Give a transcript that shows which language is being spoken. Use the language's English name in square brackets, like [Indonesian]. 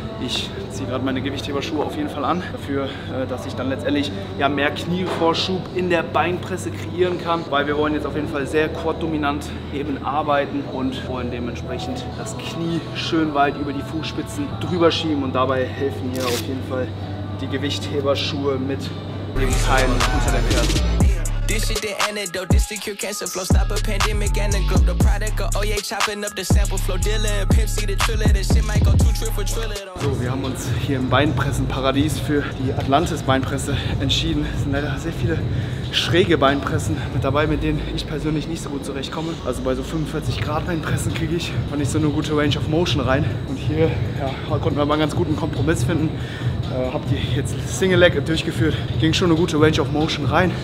[German] Ich ziehe gerade meine Gewichtheberschuhe auf jeden Fall an, dafür, dass ich dann letztendlich mehr Knievorschub in der Beinpresse kreieren kann, weil wir wollen jetzt auf jeden Fall sehr quad-dominant eben arbeiten und wollen dementsprechend das Knie schön weit über die Fußspitzen drüber schieben und dabei helfen hier auf jeden Fall die Gewichtheberschuhe mit dem Keil unter der Ferse. [English] This shit the antidote, this the cure cancer flow. Stop a pandemic and the globe, the product of OA chopping up the sample flow. Dilla and Pepsi the triller, this shit might go 2 triple triller. [German] So, wir haben uns hier im Beinpressenparadies für die Atlantis Beinpresse entschieden. Es sind leider sehr viele schräge Beinpressen mit dabei, mit denen ich persönlich nicht so gut zurechtkomme. Also bei so 45 Grad Beinpressen kriege ich auch nicht so eine gute Range of Motion rein. Und hier konnten wir mal einen ganz guten Kompromiss finden. Hab die jetzt Single Leg durchgeführt, ging schon eine gute Range of Motion rein.